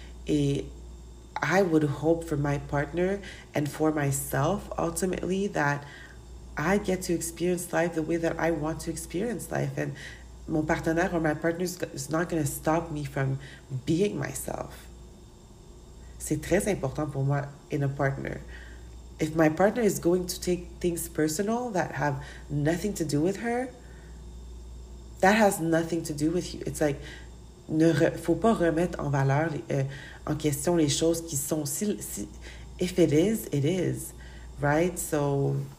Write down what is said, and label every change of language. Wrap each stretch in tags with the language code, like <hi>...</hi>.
<en>Et I would hope for my partner and for myself, ultimately, that I get to experience life the way that I want to experience life. And</en> <fr>mon partenaire</fr> <en>or my partner is not going to stop me from being myself.</en> <fr>C'est très important pour moi</fr> <en>in a partner. If my partner is going to take things personal that have nothing to do with her, that has nothing to do with you. It's like,</en> <fr>faut pas remettre en valeur, en question les choses qui sont...</fr> <en>Si, if it is, it is. Right? So...</en>